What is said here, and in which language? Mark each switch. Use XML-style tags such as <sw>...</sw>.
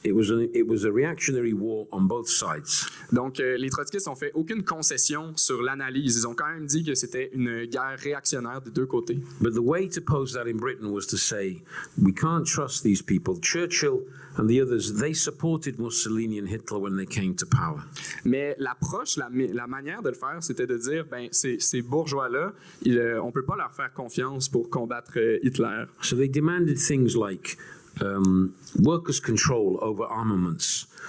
<en>It was a reactionary war on both sides.</en> <fr>Donc les trotskistes ont fait aucune concession sur l'analyse. Ils ont quand même dit que c'était une guerre réactionnaire des deux côtés.</fr> <en>But the way to pose that in Britain was to say we can't trust these people. Churchill and the others, they supported Mussolini and Hitler when they came to power.</en> <fr>Mais l'approche, la manière de le faire, c'était de dire ben ces bourgeois là, on peut pas leur faire confiance pour combattre Hitler.</fr> <en>So they demanded things like workers' control over armaments.</en>